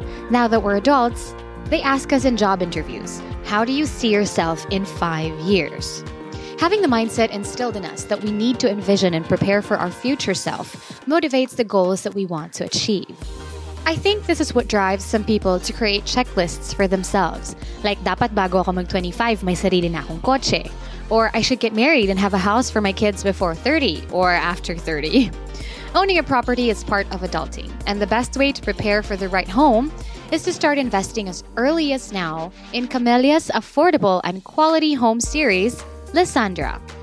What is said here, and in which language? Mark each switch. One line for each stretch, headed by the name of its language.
English: Now that we're adults, they ask us in job interviews, how do you see yourself in 5 years? Having the mindset instilled in us that we need to envision and prepare for our future self motivates the goals that we want to achieve. I think this is what drives some people to create checklists for themselves.
Filipino: Like, dapat bago ako mag 25, may sarili na akong kotse.
English: Or, I should get married and have a house for my kids before 30 or after 30. Owning a property is part of adulting. And the best way to prepare for the right home is to start investing as early as now in Camellia's affordable and quality home series, Lisandra.